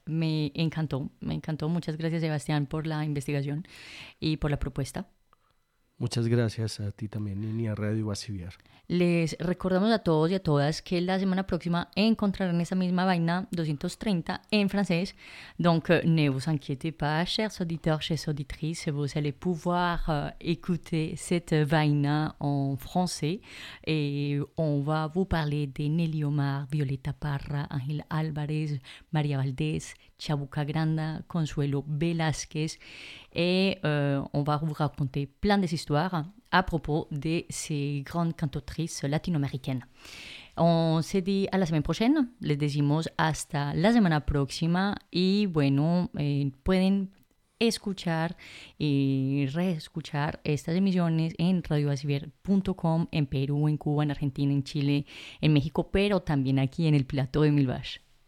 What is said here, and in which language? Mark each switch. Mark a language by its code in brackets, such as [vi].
[es] Me encantó, muchas gracias Sebastián por la investigación y por la propuesta. Muchas gracias a ti también, Nini, a Radio Basivier. Les recordamos a todos y a todas que la semana próxima encontrarán esa misma vaina 230 en francés. [fr] Donc, ne vous inquiétez pas, chers auditeurs, chers auditrices, vous allez pouvoir écouter cette vaina en français. Et on va vous parler de Nelly Omar, Violeta Parra, Ángel Álvarez, María Valdés, Chabuca Granda, Consuelo Velázquez. Et on va vous raconter plein d'histoires à propos de ces grandes cantautrices latino-américaines. On se dit à la semaine prochaine, [es] les decimos hasta la semana próxima, y bueno, pueden escuchar y reescuchar estas emisiones en radiobasivier.com, en Perú, en Cuba, en Argentina, en Chile, en México, pero también aquí en el plató de Milbash.